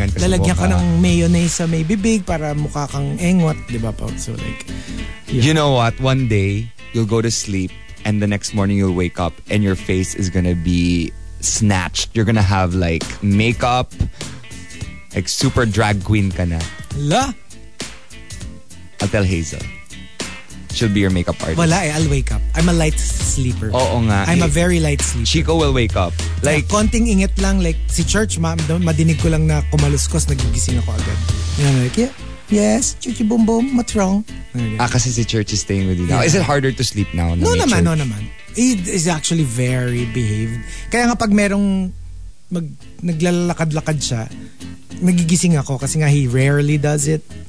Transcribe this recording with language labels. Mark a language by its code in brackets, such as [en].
[tl] Lalagyan ka ng mayonnaise sa may bibig para mukha kang engot, 'di ba? [en] So like You know what? One day you'll go to sleep and the next morning you'll wake up and your face is gonna be snatched. You're gonna have like makeup, like super drag queen [tl] ka na. La? [en] I'll tell Hazel. She'll be your makeup artist. [tl] Wala eh, [en] I'll wake up. I'm a light sleeper. [tl] Oo nga. [en] I'm a very light sleeper. Chico will wake up. Like, yeah, [tl] konting ingit lang, like, si Church, madinig ko lang na kumaluskos, nagigising ako agad. [en] You know, like, yes, chuchi boom boom, what's wrong? [tl] Ah, kasi si [en] Church is staying with you now. Yeah. Is it harder to sleep now? No [tl] naman. [en] He is actually very behaved. [tl] Kaya nga pag merong naglalakad-lakad siya, nagigising ako kasi nga [en] he rarely does it.